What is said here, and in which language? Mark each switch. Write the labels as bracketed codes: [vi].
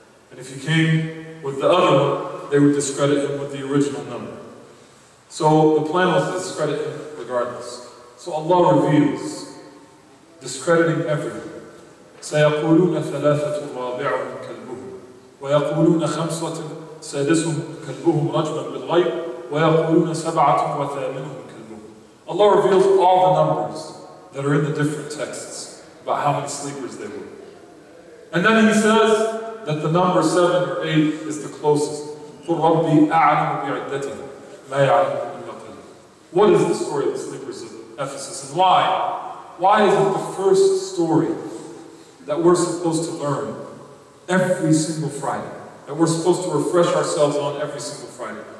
[en] And if he came with the other one, they would discredit him with the original number. So the plan was to discredit him regardless. So Allah reveals, discrediting everyone, [ar] سيقولون ثلاثة رابعهم كلبهم ويقولون خمسة سادسهم كلبهم رجما بالغيب ويقولون سبعة وثامنهم كلبهم. [en] Allah reveals all the numbers that are in the different texts about how many sleepers they were. And then he says that the number seven or eight is the closest. [ar] قُلْ رَبِّي أَعْلَمُ بِعِدَّتِهِ مَا يَعْلَمُ إِلَّا قَلِيلٌ. [en] What is the story of the sleepers of Ephesus and why? Why is it the first story that we're supposed to learn every single Friday, that we're supposed to refresh ourselves on every single Friday?